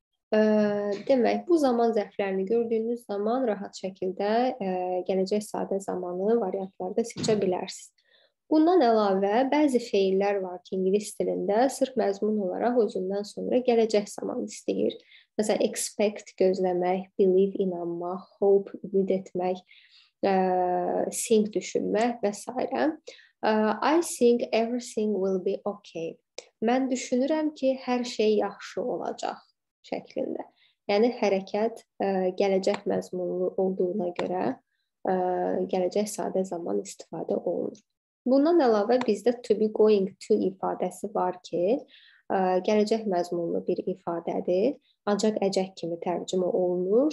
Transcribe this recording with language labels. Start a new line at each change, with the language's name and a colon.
Azerbaijani: Demək, bu zaman zərflərini gördüyünüz zaman rahat şəkildə gələcək sadə zamanı variantlarda seçə bilərsiniz. Bundan əlavə, bəzi feillər var ki, ingilis dilində sırf məzmun olaraq özündən sonra gələcək zaman istəyir. Məsələn, expect, gözləmək, believe, inanmaq, hope, ümid etmək, think, düşünmək və s.
English: I think everything will be okay.
Azerbaijani: Mən düşünürəm ki, hər şey yaxşı olacaq şəklində. Yəni, hərəkət gələcək məzmunlu olduğuna görə gələcək sadə zaman istifadə olunur. Bundan əlavə bizdə to be going to ifadəsi var ki, gələcək məzmunlu bir ifadədir, ancaq əcək kimi tərcümə olunur.